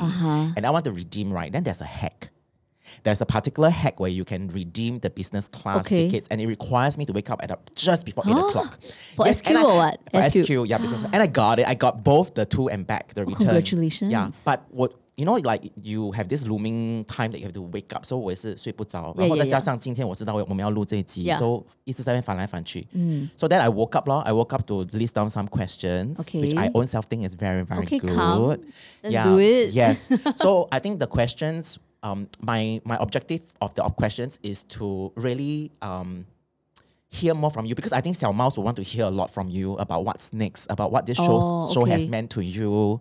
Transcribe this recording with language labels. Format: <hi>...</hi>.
<en>And I want to redeem, right? Then there's a hack. There's a particular hack where you can redeem the business class tickets and it requires me to wake up at just before 8 o'clock. For SQ or what? SQ, yeah, business. And I got it. I got both the to and back, the return. Congratulations. Yeah, but what, you know, like you have this looming time that you have to wake up. So</en> <zh>我也是睡不着. Yeah. 然后再加上今天我知道我们要录这一集. So 一直在那边翻来翻去.</zh> <en>So then I woke up. I woke up to list down some questions. Okay. Which I own self think is very, very okay, good. Calm. Let's do it. Yes. So I think the questions, my objective of the questions is to really hear more from you because I think Xiao Mouse will want to hear a lot from you about what's next, about what this show has meant to you.</en>